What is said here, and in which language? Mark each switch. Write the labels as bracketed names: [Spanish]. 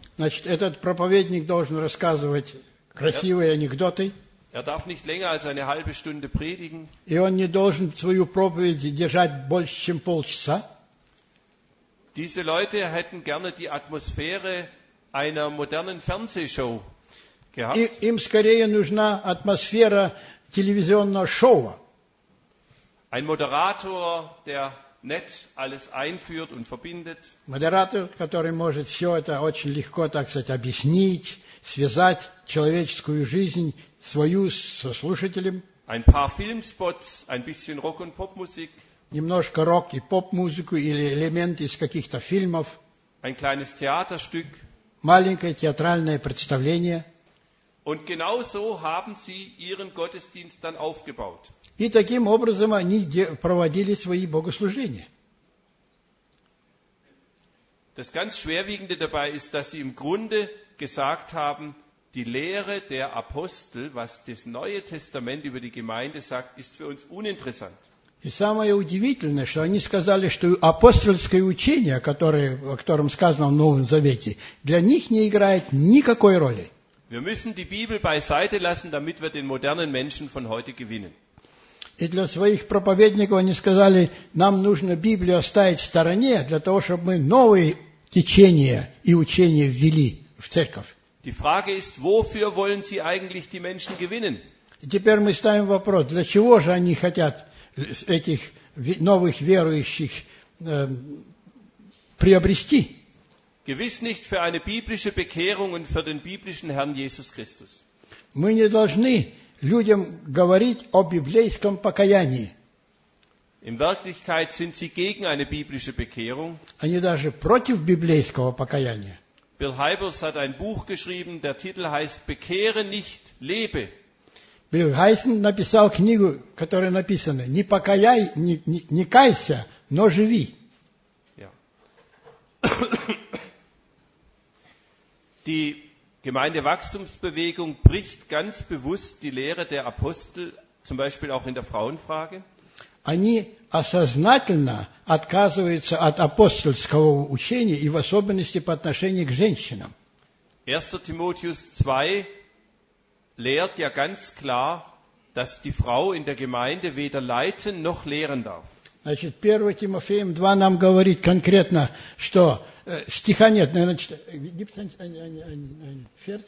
[Russian] Значит, этот проповедник должен рассказывать красивые анекдоты. [German] Er darf nicht länger als eine halbe Stunde predigen. [Russian] И он не должен свою проповедь держать больше, чем полчаса. [German] Diese Leute hätten gerne die Atmosphäre einer modernen Fernsehshow gehabt. [Russian] Им скорее нужна атмосфера телевизионного шоу. [German] Ein Moderator, der nett alles einführt und verbindet. [Russian] Moderator, который может все это очень легко, так сказать, объяснить, связать человеческую жизнь свою со слушателем. [German] Ein paar Filmspots, ein bisschen Rock- und Popmusik. [Russian] Немножко рок- и поп-музыку или элементы из каких-то фильмов. [German] Ein kleines Theaterstück. [Russian] Маленькое театральное представление. [German] Und genau so haben sie ihren Gottesdienst dann aufgebaut. [Russian] И таким образом они проводили свои богослужения. [German] Das ganz schwerwiegende dabei ist, dass sie im Grunde gesagt haben, die Lehre der Apostel, was das Neue Testament über die Gemeinde sagt, ist für uns uninteressant. [Russian] И самое удивительное, что они сказали, что апостольское учение, о котором сказано в Новом Завете, для них не играет никакой роли. [German] Wir müssen die Bibel beiseite lassen, damit wir den modernen Menschen von heute gewinnen. [Russian] И для своих проповедников они сказали, нам нужно Библию оставить в стороне, для того, чтобы мы новые течения и учения ввели в церковь. [German] Die Frage ist, wofür wollen sie eigentlich die Menschen gewinnen? [Russian] И теперь мы ставим вопрос, для чего же они хотят этих новых верующих приобрести? [German] Gewiss nicht für eine biblische Bekehrung und für den biblischen Herrn Jesus Christus. [Russian] Мы не должны людям говорить о библейском покаянии. [German] In Wirklichkeit sind sie gegen eine biblische Bekehrung. [Russian] Они даже против библейского покаяния. [German] Bill Hybels hat ein Buch geschrieben, der Titel heißt Bekehre nicht, lebe. [Russian] Билл Хайсон написал книгу, в которой написано «Не покаяй, не кайся, но живи». [German] Ja. Die Gemeindewachstumsbewegung bricht ganz bewusst die Lehre der Apostel, zum Beispiel auch in der Frauenfrage. [Russian] Они осознательно отказываются от апостольского учения и в особенности по отношению к женщинам. [German] 1. Timotheus 2 lehrt ja ganz klar, dass die Frau in der Gemeinde weder leiten noch lehren darf. [Russian] Значит, 1 Тимофеем 2 нам говорит конкретно, что стиха нет. [German] Значит, gibt's ein Vers?